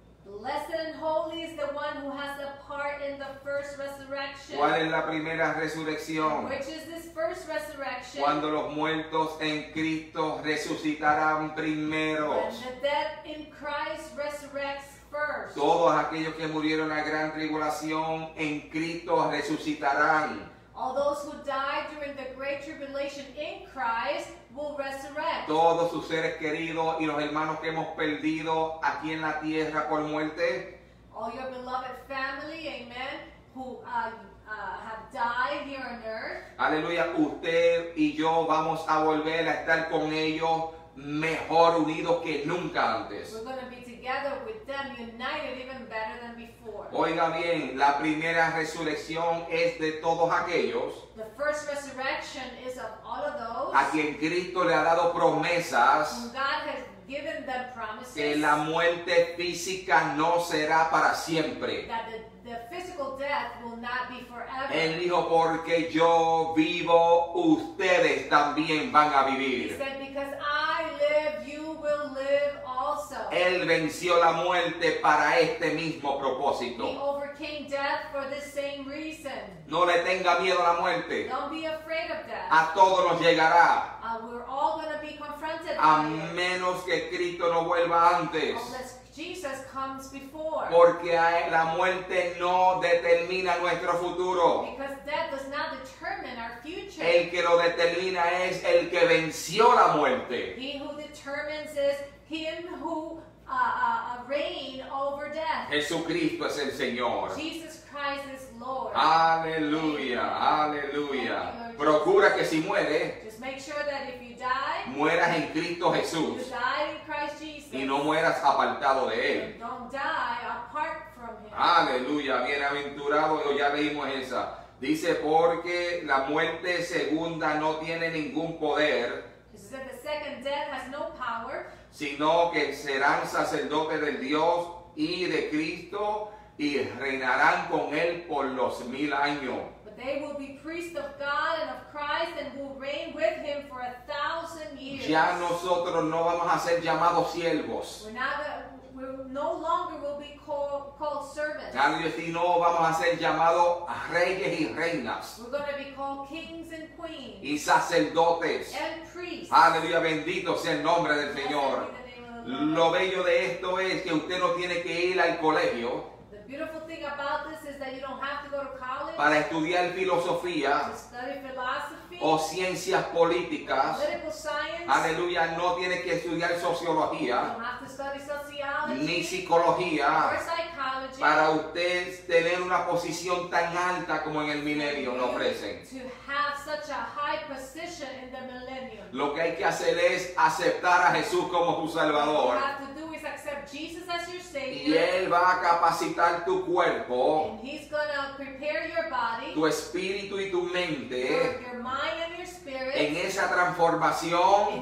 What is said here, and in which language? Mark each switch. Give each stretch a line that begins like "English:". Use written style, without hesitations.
English: Blessed and holy is the one who has a part in the first resurrection.
Spanish: ¿Cuál es la primera resurrección?
English: Which is this first resurrection?
Spanish: Cuando los muertos en Cristo resucitarán primero.
English: When the dead in Christ resurrects first.
Spanish: Todos aquellos que murieron en la gran tribulación en Cristo resucitarán.
English: All those who died during the great tribulation in Christ will resurrect.
Spanish: Todos sus seres queridos y los hermanos que hemos perdido aquí en la tierra por muerte.
English: All your beloved family, amen, who have died here on earth.
Spanish: Aleluya, usted y yo vamos a volver a estar con ellos mejor unidos que nunca antes.
English: We're going to be together with them, united even better than before.
Spanish: Oiga bien, la primera resurrección es de todos aquellos.
English: The first resurrection is of all of those.
Spanish: A quien Cristo le ha dado promesas.
English: God has given them promises.
Spanish: Que la muerte física no será para siempre.
English: That the physical death will not be forever.
Spanish: Él dijo, porque yo vivo, ustedes también van a vivir.
English: He said, because I live, you will live also.
Spanish: Él venció la muerte para este mismo propósito.
English: He overcame death for this same reason.
Spanish: No le tenga miedo a la muerte.
English: Don't be afraid of death.
Spanish: A todos nos llegará.
English: We're all going to be confronted
Spanish: a menos que Cristo no vuelva antes.
English: Jesus comes before.
Spanish: Porque la muerte no determina nuestro futuro.
English: Because death does not determine our future.
Spanish: El que lo determina es el que venció la muerte.
English: He who determines is him who reigned over death.
Spanish: Jesucristo es el Señor.
English: Jesus Christ is Lord.
Spanish: Aleluya, aleluya. Procura que si muere,
English: just make sure that if you die,
Spanish: mueras en Cristo Jesús.
English: You die in Christ Jesus,
Spanish: y no mueras apartado de Él.
English: Don't die apart from Him.
Spanish: Aleluya, bienaventurado, ya leímos esa. Dice, porque la muerte segunda no tiene ningún poder,
English: that the second death has no power,
Spanish: sino que serán sacerdotes del Dios y de Cristo y reinarán con Él por los 1,000 años.
English: They will be priests of God and of Christ and will reign with him for 1,000 years.
Spanish: Ya nosotros no vamos a ser llamados siervos.
English: We no longer will be called servants.
Spanish: Nadie, si no vamos a ser llamados reyes y reinas.
English: We're going to be called kings and queens.
Spanish: Y sacerdotes.
English: And priests.
Spanish: Aleluya, bendito sea el nombre del Señor. Lo bello de esto es que usted no tiene que ir al colegio.
English: Beautiful thing about this is that you don't have to go to college.
Spanish: Para estudiar filosofía.
English: To study philosophy.
Spanish: O ciencias políticas.
English: Political science.
Spanish: Aleluya, no tienes que estudiar sociología.
English: You don't have to study sociology.
Spanish: Ni psicología.
English: Or psychology.
Spanish: Para usted tener una posición tan alta como en el milenio lo ofrecen.
English: To have such a high position in the millennium.
Spanish: Lo que hay que hacer es aceptar a Jesús como tu Salvador.
English: Jesus as your Savior.
Spanish: Y Él va a capacitar tu cuerpo.
English: And He's going to prepare your body.
Spanish: Tu espíritu y tu mente.
English: Your mind and your spirit.
Spanish: En esa transformación.